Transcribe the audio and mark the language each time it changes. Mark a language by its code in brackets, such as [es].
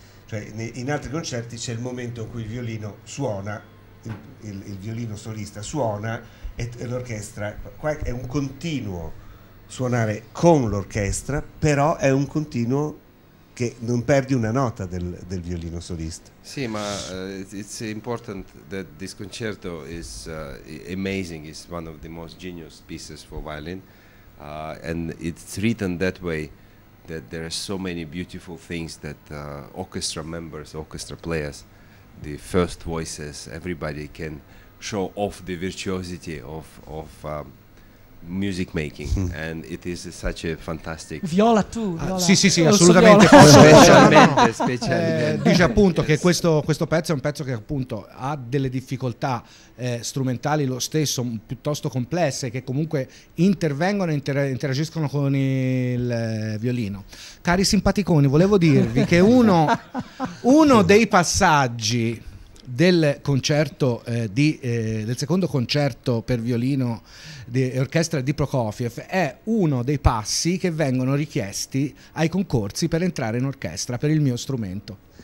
[it] Cioè, in altri concerti c'è il momento in cui il violino suona, il violino solista suona e l'orchestra. Qua è un continuo suonare con l'orchestra, però è un continuo che non perdi una nota del violino solista. Sì, ma [en] it's important that this concerto is amazing. It's one of the most genius pieces for violin, and it's written that way that there are so many beautiful things that orchestra members, orchestra players, the first voices, everybody can show off the virtuosity of music making, and it is such a fantastic viola too. [it] Sì, assolutamente. Dice appunto che questo pezzo è un pezzo che appunto ha delle difficoltà strumentali lo stesso, piuttosto complesse, che comunque intervengono e interagiscono con il violino. Cari simpaticoni, volevo dirvi che uno dei passaggi del concerto del secondo concerto per violino e orchestra di Prokofiev è uno dei passi che vengono richiesti ai concorsi per entrare in orchestra per il mio strumento.